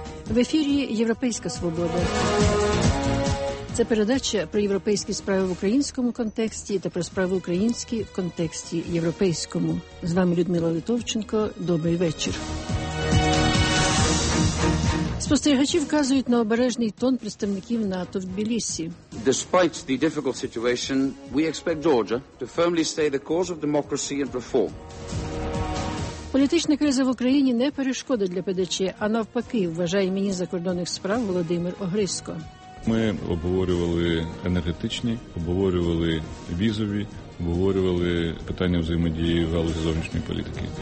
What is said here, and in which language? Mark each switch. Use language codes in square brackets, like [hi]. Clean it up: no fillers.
[uk] В ефірі «Європейська свобода». Це передача про європейські справи в українському контексті та про справи українські в контексті європейському. З вами Людмила Литовченко. Добрий вечір. Спостерігачі вказують на обережний тон представників НАТО в Тбілісі. [en] Despite the difficult situation, we expect Georgia to firmly stay the course of democracy and reform. [uk] Політична криза в Україні не перешкода для ПДЧ, а навпаки, вважає міністр закордонних справ Володимир Огрисько. Ми обговорювали енергетичні, обговорювали візові, обговорювали питання взаємодії в галузі зовнішньої політики.